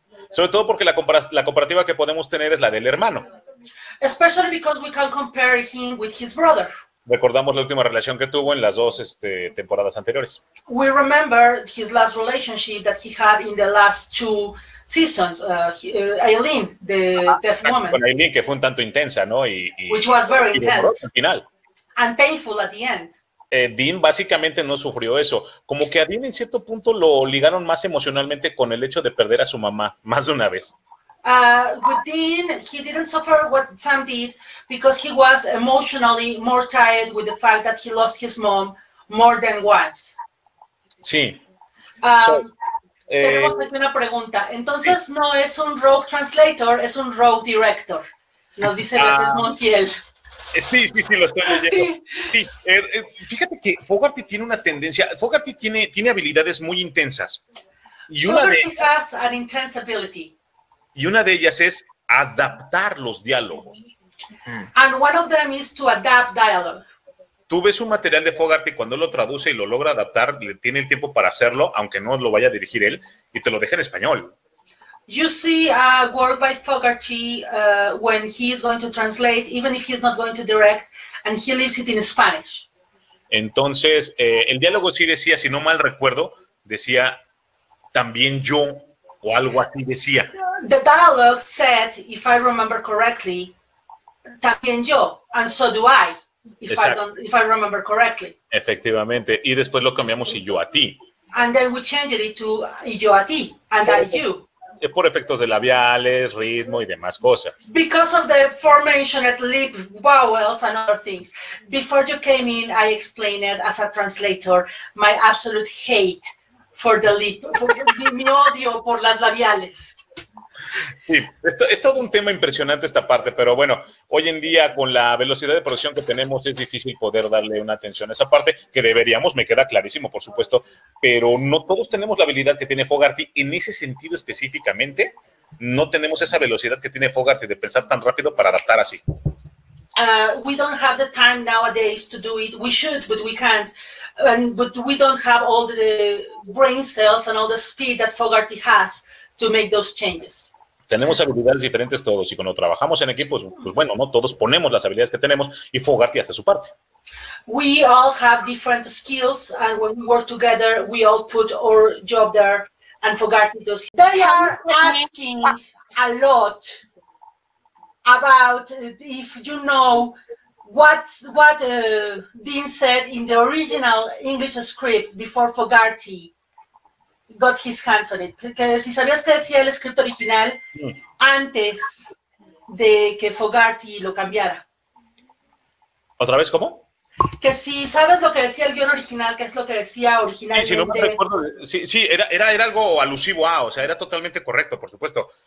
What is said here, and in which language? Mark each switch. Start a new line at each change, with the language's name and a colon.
Spanish: Sobre todo porque la comparativa que podemos tener es la del hermano.
English: Especially because we can compare him with his brother.
Spanish: Recordamos la última relación que tuvo en las dos temporadas anteriores.
English: We remember his last relationship that he had in the last two seasons, Aileen, the deaf
Spanish: Con
English: woman,
Spanish: Aileen, que fue un tanto intensa, ¿no?
English: which was very
Spanish: Y doloroso al final.
English: and painful at the end.
Spanish: Dean básicamente no sufrió eso. Como que a Dean en cierto punto lo ligaron más emocionalmente con el hecho de perder a su mamá más de una vez.
English: With Dean, he didn't suffer what Sam did because he was emotionally more tied with the fact that he lost his mom more than once.
Spanish: Sí. Tenemos aquí una pregunta. Entonces, no es un
English: rogue translator,
Spanish: es un
English: rogue director.
Spanish: Nos dice Beatriz Montiel. Sí, lo estoy leyendo. Sí, fíjate que Fogarty tiene una tendencia, Fogarty tiene habilidades muy intensas
English: Has an intense ability.
Spanish: y una de ellas es adaptar los diálogos.
English: And one of them is to adapt dialogue.
Spanish: Tú ves un material de Fogarty cuando lo traduce y lo logra adaptar, le tiene el tiempo para hacerlo, aunque no lo vaya a dirigir él, y te lo deja en español.
English: You see a work by Fogarty when he is going to translate, even if he's not going to direct, and he leaves it in Spanish.
Spanish: Entonces, el diálogo sí decía, si no mal recuerdo, decía también yo o algo así decía.
English: The dialogue said, if I remember correctly,
Spanish: también yo,
English: and so do I,
Spanish: Exacto.
English: if I remember correctly.
Spanish: Efectivamente. Y después lo cambiamos y yo a ti.
English: And then we changed it to
Spanish: y yo a ti,
English: and I you.
Spanish: Por efectos de labiales, ritmo y demás cosas.
English: Because of the formation at lip, vowels, and other things. Before you came in, I explained it as a translator, my absolute hate for the lip,
Spanish: mi odio por las labiales. Sí, es todo un tema impresionante esta parte, pero bueno, hoy en día con la velocidad de producción que tenemos es difícil poder darle una atención a esa parte, que deberíamos, me queda clarísimo, por supuesto, pero no todos tenemos la habilidad que tiene Fogarty en ese sentido específicamente, no tenemos esa velocidad que tiene Fogarty de pensar tan rápido para adaptar así.
English: We don't have the time nowadays to do it. We should, but we can't. But we don't have all the brain cells and all the speed that Fogarty has to make those changes.
Spanish: Tenemos habilidades diferentes todos, y cuando trabajamos en equipo, pues bueno, no todos ponemos las habilidades que tenemos y Fogarty hace su parte.
English: We all have different skills, and when we work together, we all put our job there, and Fogarty does. They are asking a lot about if you know what Dean said in the original English script before Fogarty got his hands on it.
Spanish: Que si sabías qué decía el script original antes de que Fogarty lo cambiara. ¿Otra vez cómo? Que si sabes lo que decía el guión original, qué es lo que decía Sí, si no mal recuerdo, sí, era algo alusivo a, o sea, era totalmente correcto, por supuesto.